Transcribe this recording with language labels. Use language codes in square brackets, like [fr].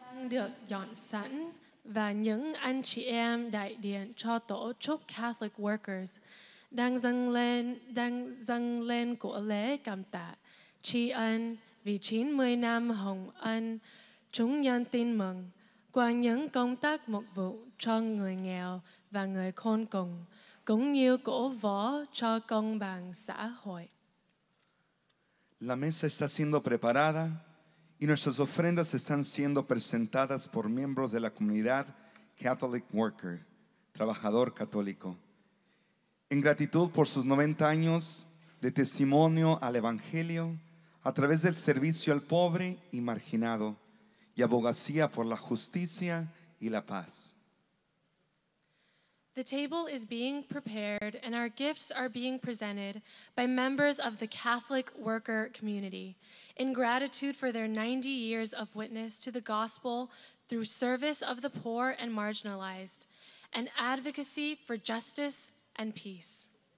[vi] Được dọn sẵn và những anh chị em đại diện cho tổ chức Catholic Workers đang dâng lên của lễ cảm tạ tri ân vì 90 năm hồng ân chúng nhân tin mừng qua những công tác mục vụ cho người nghèo và người khôn cùng cũng như cổ võ cho công bằng xã hội. [es] La mesa está siendo preparada. Y nuestras ofrendas están siendo presentadas por miembros de la comunidad Catholic Worker, trabajador católico. En gratitud por sus 90 años de testimonio al Evangelio, a través del servicio al pobre y marginado, y abogacía por la justicia y la paz. [en] The table is being prepared and our gifts are being presented by members of the Catholic Worker community in gratitude for their 90 years of witness to the gospel through service of the poor and marginalized and advocacy for justice and peace.